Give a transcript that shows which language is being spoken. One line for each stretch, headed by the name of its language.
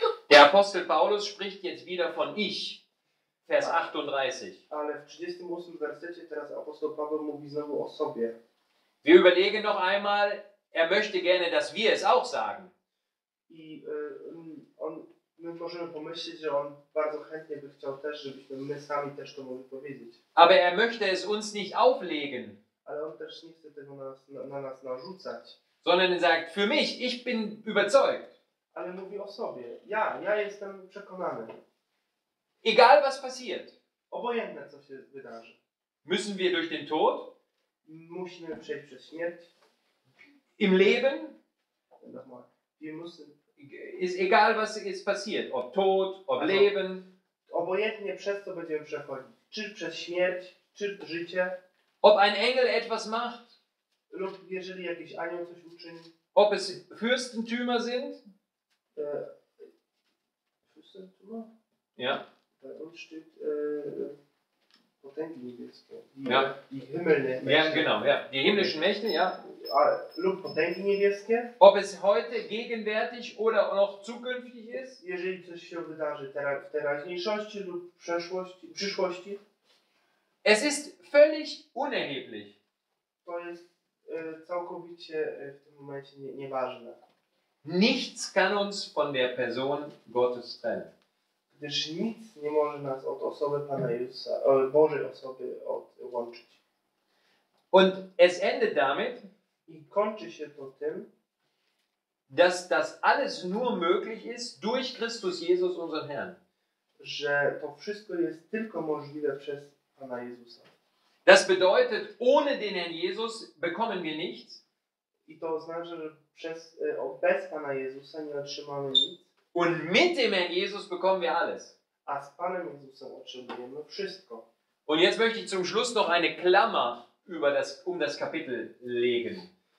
German: Der Apostel Paulus spricht jetzt wieder von ich, Vers 38.
Polish: Ale w 38. wersecie teraz Apostel Paweł mówi znowu o sobie.
German: Wir überlegen noch einmal, er möchte gerne, dass wir es auch sagen.
Polish: I on my możemy pomyśleć, że on bardzo chętnie by chciał też, żebyśmy my sami też to mogli powiedzieć.
German: Aber er möchte es uns nicht auflegen.
Polish: Ale on też nie chce tego na nas narzucać.
German: Sondern er sagt, für mich, ich bin überzeugt.
Polish: Ale mówi o sobie. Ja jestem przekonany.
German: Egal was passiert.
Polish: Obojętne co się wydarzy.
German: Müssen wir durch den Tod?
Polish: Musimy przejść przez śmierć.
German: Im Leben? Nochmal. Wir müssen. Ist egal was jetzt passiert, ob Tod, ob also, Leben.
Polish: Obojętnie przez co będziemy przechodzić. Czy przez śmierć, czy życie.
German: Ob ein Engel etwas macht.
Polish: Lub jeżeli jakiś anioł coś uczyni.
German: Ob es Fürstentümer sind. Fürstentümer? Ja. Bei uns steht
Polish: Potenten niebieskie.
German: Die himmlischen Mächte. Ja, genau, ja. Die himmlischen Mächte, ja.
Polish: Lub Potenten niebieskie.
German: Ob es heute gegenwärtig oder noch zukünftig ist.
Polish: Jeżeli coś się wydarzy w teraźniejszości lub przyszłości.
German: Es ist völlig unerheblich.
Polish: To jest całkowicie w tym momencie nieważne.
German: Nichts kann uns von der Person Gottes trennen.
Polish: Gdyż nic nie może nas od osoby Pana Jezusa, Bożej osoby odłączyć.
German: Und es endet damit,
Polish: i kończy się to tym,
German: dass das alles nur möglich ist durch Christus Jesus, unseren Herrn.
Polish: Że to wszystko jest tylko możliwe przez Pana Jezusa.
German: Das bedeutet, ohne den Herrn Jesus bekommen wir nichts.
Polish: I to oznacza, że bez Pana Jezusa nie otrzymamy nic.
German: Und mit dem Herrn Jesus bekommen wir alles.
Polish: A z Panem Jezusem otrzymujemy wszystko.
German: Und jetzt möchte ich zum Schluss noch eine Klammer über das, um das Kapitel legen.